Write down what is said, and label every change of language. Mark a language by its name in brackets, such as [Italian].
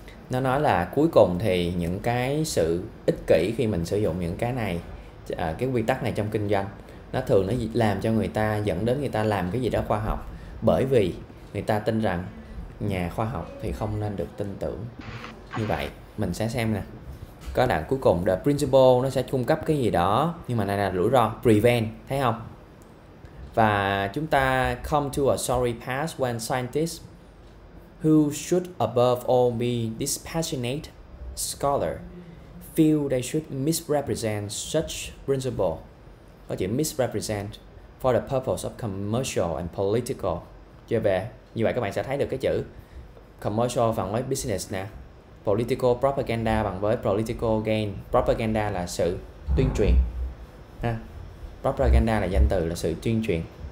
[Vietnamese] Nó nói là cuối cùng thì những cái sự ích kỷ khi mình sử dụng những cái này, cái quy tắc này trong kinh doanh, nó thường nó làm cho người ta, dẫn đến người ta làm cái gì đó khoa học, bởi vì người ta tin rằng nhà khoa học thì không nên được tin tưởng. Như vậy mình sẽ xem nè, có đoạn cuối cùng the principle nó sẽ cung cấp cái gì đó, nhưng mà này là rủi ro, prevent, thấy không? [English] Và chúng ta come to a sorry pass when scientists who should above all be dispassionate scholar feel they should misrepresent such principle, có chữ misrepresent, for the purpose of commercial and political. [Vietnamese] Chưa về, như vậy các bạn sẽ thấy được cái chữ commercial bằng với business nè, political propaganda bằng với political gain, propaganda là sự tuyên truyền ha, propaganda là danh từ, là sự tuyên truyền.